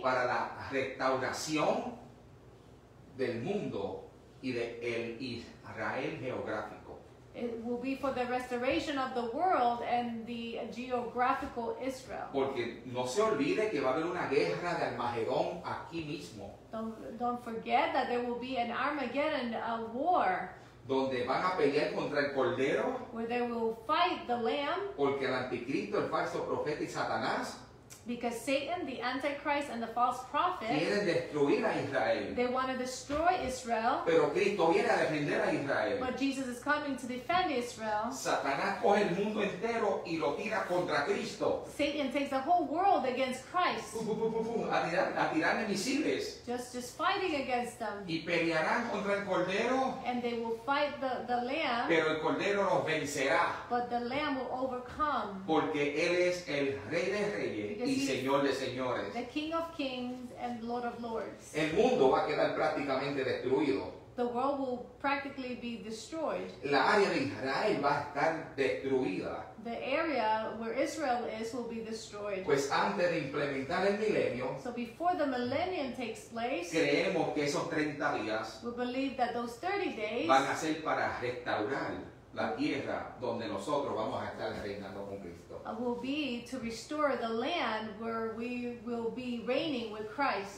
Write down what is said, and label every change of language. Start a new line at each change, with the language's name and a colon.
Spanish: Para la restauración del mundo y de el Israel geográfico.
English: It will be for the restoration of the world and the geographical Israel.
Spanish: Porque no se olvide que va a haber una guerra de Armagedón aquí mismo.
English: Don't forget that there will be an Armageddon, a war.
Spanish: Donde van a pelear contra el Cordero.
English: Where they will fight the Lamb.
Spanish: Porque el Anticristo, el falso profeta y Satanás.
English: Because Satan, the Antichrist, and the false prophet,
Spanish: quieren destruir a Israel.
English: They want to destroy Israel.
Spanish: Pero Cristo viene a defender a Israel.
English: But Jesus is coming to defend Israel.
Spanish: Satanás coge el mundo entero y lo tira contra Cristo.
English: Satan takes the whole world against Christ.
Spanish: A tirarle misiles.
English: Just fighting against them.
Spanish: Y pelearán contra el Cordero.
English: And they will fight the Lamb.
Spanish: Pero el Cordero los vencerá.
English: But the Lamb will overcome.
Spanish: Porque Él es el Rey de Reyes. Y Señor de señores.
English: The King of Kings and Lord of Lords.
Spanish: El mundo va a quedar prácticamente destruido.
English: The world will practically be destroyed.
Spanish: La área de Israel va a estar destruida.
English: The area where Israel is will be destroyed.
Spanish: Pues antes de implementar el milenio.
English: So before the millennium takes place.
Spanish: Creemos que esos 30 días.
English: We believe that those 30 days.
Spanish: Van a ser para restaurar la tierra donde nosotros vamos a estar reinando con Cristo.
English: Will be to restore the land where we will be reigning with Christ.